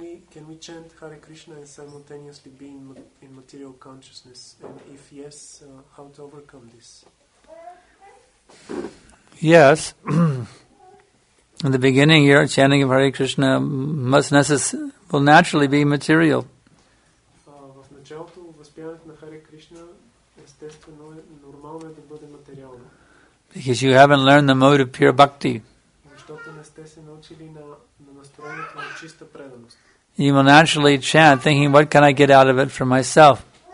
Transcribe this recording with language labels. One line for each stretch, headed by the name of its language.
English: Can we chant Hare Krishna and simultaneously be in material consciousness? And if yes, how to overcome this? Yes. In the beginning, your chanting of Hare Krishna must will naturally be material.
Bulgarian: В началото, възпяването на Hare Krishna естествено е нормално да бъде материално.
English: Because you haven't learned the mode of pure bhakti.
Bulgarian: Защото не сте се научили на настроението на чиста преданост.
English: You will naturally chant, thinking, what can I get out of it for myself?